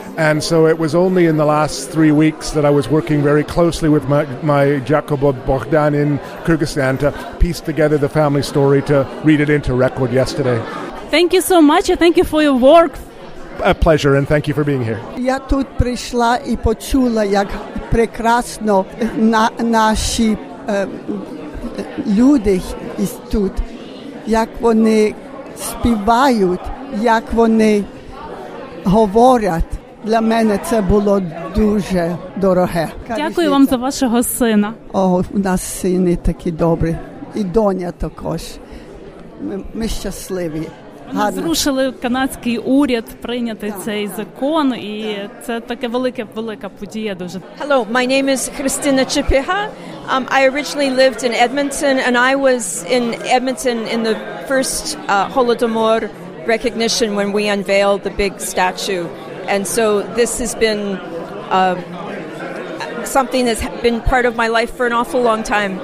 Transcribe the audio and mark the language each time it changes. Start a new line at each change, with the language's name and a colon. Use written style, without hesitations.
English: And so it was only in the last 3 weeks that I was working very closely with my Jacobo Bogdan in Kyrgyzstan to piece together the family story to read it into record yesterday. Thank you so much. Thank you for your work. A pleasure, and thank you for being here.
Ukrainian: Я тут прийшла і почула, як прекрасно наші люди із тут, як вони співають, як вони говорять. Для мене це було дуже дороге. Дякую вам за вашого сина. О, у нас сини такі добрі. І доня також. Ми щасливі. Вони зрушили канадський уряд прийняти цей закон. І це таке велика подія дуже.
English: Hello, my name is Christina Chepiha. I originally lived in Edmonton, and I was in Edmonton in the first Holodomor recognition when we unveiled the big statue. And so this has been something that's been part of my life for an awful long time.